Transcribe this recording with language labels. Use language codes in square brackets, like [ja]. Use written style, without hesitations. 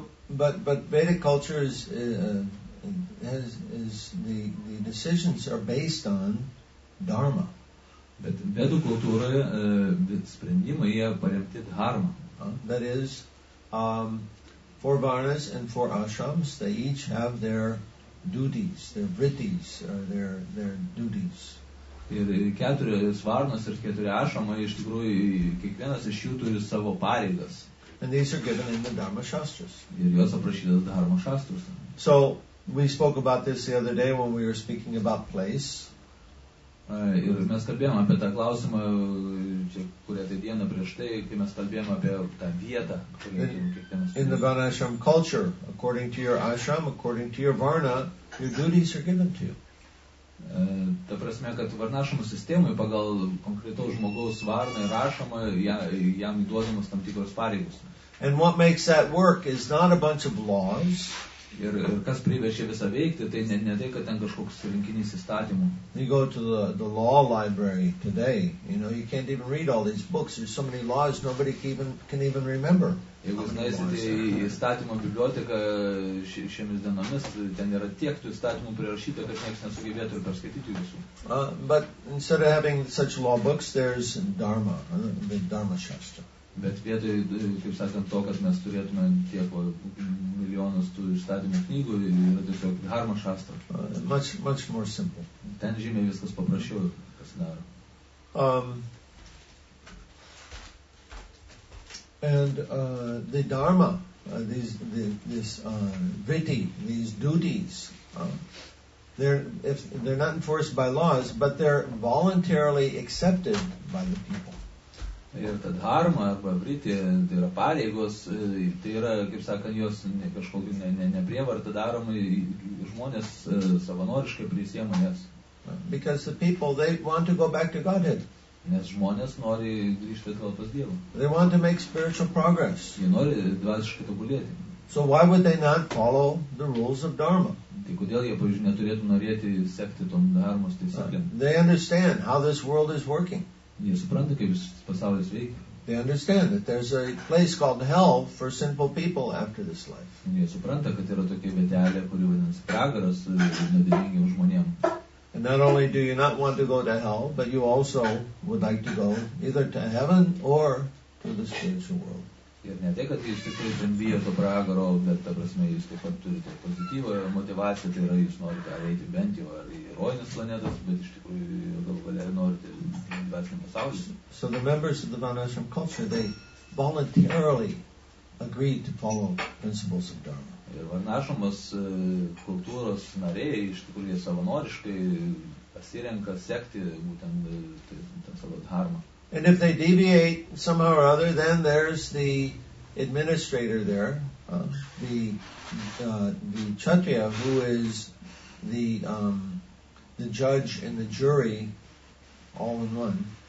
[en] But Vedic culture is the decisions are based on dharma. [lt] Bet Vedų kultūroje sprendimai jie paremti dharma. [en] That is, four varnas and four ashrams, they each have their duties, their vrittis, or their duties. [lt] Ir keturios varnos ir keturi ašramai, iš tikrųjų, kiekvienas iš jų turi savo pareigas. [en] And these are given in the Dharma Shastras. [lt] Ir jos aprašytas Dharma Shastras. [en] So, we spoke about this the other day when we were speaking about place. [lt] Ir mes kalbėjom apie tą klausimą, čia kurią tai dieną prieš tai, kai mes kalbėjome apie tą vietą, [en] in the Vanashram culture, according to your ashram, according to your varna, your duties are given to you. [lt] Ta prasme, kad varnašamų sistemui pagal konkretaus žmogaus varną ir rašamą jam duodamos tam tikros pareigos. [en] And what makes that work is not a bunch of laws. [lt] Ir kas priverčia visą veikti, tai ne tai, kad ten kažkoks rinkinys įstatymų. [en] You go to the law library today, you know, you can't even read all these books, there's so many laws nobody can even remember. [lt] Jeigu nueisite į įstatymo biblioteką šiomis dienomis, ten yra tiek tų įstatymų prirašyta, kad niekas nesugebėtų ir perskaityti visų. [en] But instead of having such law books, there's Dharma, the Dharma Shastra. [lt] Bet vietoj, kaip sakant, to, kad mes turėtume tiek milijonus tų įstatymų knygų, yra tiesiog Dharma Shastra. [en] Much more simple. [lt] Ten žymiai viskas paprasčiau, kas daro. [en] The dharma, vritti, these duties, they're not enforced by laws, but they're voluntarily accepted by the people. [lt] Ir ta dharma arba vritti, tai yra pareigos, tai yra, kaip sakant, jos kažkokį neprievartą daromą, žmonės savanoriškai prisiema jas. [en] Because the people, they want to go back to Godhead. [lt] Nes žmonės nori grįžti atgal pas Dievą. [en] They want to make spiritual progress. [lt] Jie nori dvasiškai tobulėti. [en] So why would they not follow the rules of Dharma? [lt] Tai kodėl jie, pavyzdžiui, neturėtų norėti sekti tom Dharmos taisyklėm? [en] They understand how this world is working. [lt] Jie supranta, kaip pasaulis veikia. [en] They understand that there's a place called hell for sinful people after this life. [lt] Jie supranta, kad yra tokia vietelė, kuri vadinasi pragaras nedėkingiems žmonėms. [en] And not only do you not want to go to hell, but you also would like to go either to heaven or to the spiritual world. [lt] Ir ne tai, kad jūs tikrai ten bijote pragaro, bet ta prasme, jūs taip pat turite pozityvą ir motivaciją, tai yra, jūs norite eiti bent jau ar į rojinės planetas, bet iš tikrųjų gal galėjai norite dvasinį pasaulį. [en] So the members of the Vanashram culture, they voluntarily agreed to follow principles of Dharma. [lt] Ir varnašamos kultūros nariai, iš tikrųjų, jie savanoriškai pasirenka sekti būtent tą savo dharmą. [en] And if they deviate somehow or other, then there's the administrator there, the kshatriya, who is the judge and the jury all in one.